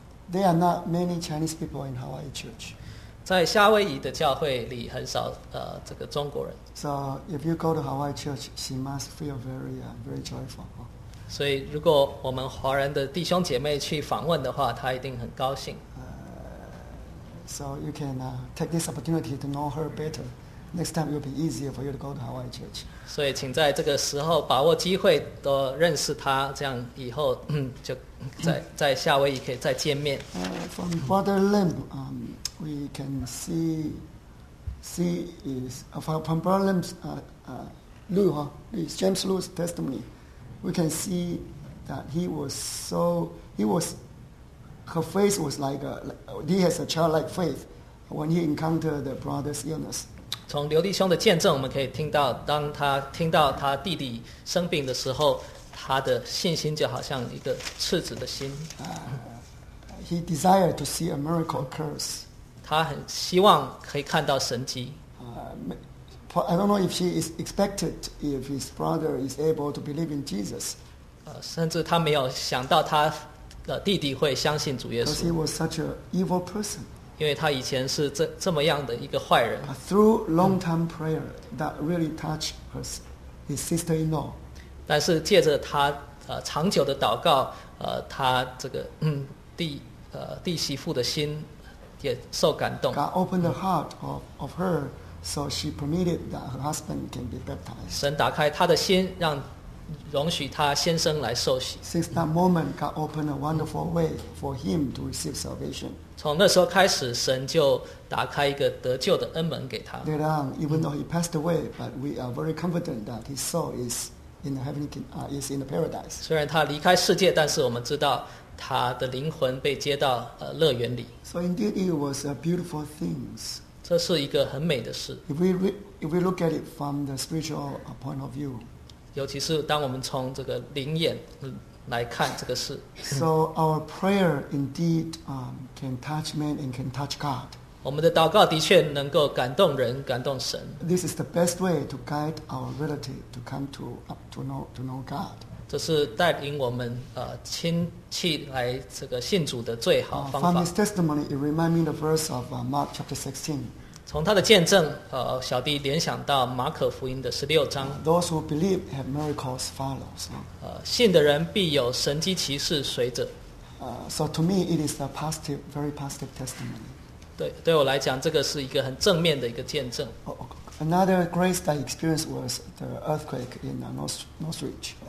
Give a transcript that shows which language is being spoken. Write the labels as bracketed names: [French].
[English] There are not many Chinese people in Hawaii Church. [Chinese] 在夏威夷的教会里很少这个中国人。 [English] So if you go to Hawaii Church, she must feel very, very joyful. [Chinese] 所以如果我们华人的弟兄姐妹去访问的话，她一定很高兴。 [English] So you can take this opportunity to know her better. Next time it will be easier for you to go to Hawaii Church. [Chinese] 所以请在这个时候把握机会多认识他，这样以后就在夏威夷可以再见面。 [English] From Brother Lim, we can see is from Brother Lim's James Lu's testimony. We can see that her face was he has a childlike faith when he encountered the brother's illness. [Chinese] 从刘弟兄的见证，我们可以听到，当他听到他弟弟生病的时候，他的信心就好像一个赤子的心。 [English] He desired to see a miracle occur. [Chinese] 他很希望可以看到神迹。 [English] I don't know if she is expected if his brother is able to believe in Jesus. [Chinese] 甚至他没有想到他弟弟会相信主耶稣。 [English] Because he was such an evil person. [Chinese] 因为他以前是这么样的一个坏人。 [English] Through long time prayer that really touched his sister-in-law. [Chinese] 但是借着他长久的祷告，他这个弟媳妇的心也受感动。 [English] God opened the heart of her, so she permitted that her husband can be baptized. [Chinese] 神打开他的心，容许他先生来受洗。 [English] Since that moment, God opened a wonderful way for him to receive salvation. [Chinese] 从那时候开始，神就打开一个得救的恩门给他。 [English] Later on, even though he passed away, but we are very confident that his soul is in the heavenly is in the paradise. [Chinese] 虽然他离开世界，但是我们知道他的灵魂被接到乐园里。 [English] So indeed, it was a beautiful thing. [Chinese] 这是一个很美的事。 [English] If we look at it from the spiritual point of view. [Chinese] 尤其是当我们从这个灵眼来看这个事 [English] ，So our prayer indeed can touch man and can touch God. [Chinese] 我们的祷告的确能够感动人，感动神。 [English] This is the best way to guide our relative to come to know God. [Chinese] 这是带领我们亲戚来这个信主的最好方法。 [English] From his testimony, it reminds me the verse of Mark chapter 16. [Chinese] 从他的见证，小弟联想到马可福音的16章。 [English] Those who believe have miracles follow. [Chinese] 信的人必有神迹奇事随着。 [English] So to me, it is a positive, very positive testimony. [Chinese] 对我来讲，这个是一个很正面的一个见证。 [English] Another grace that I experienced was the earthquake in Northridge.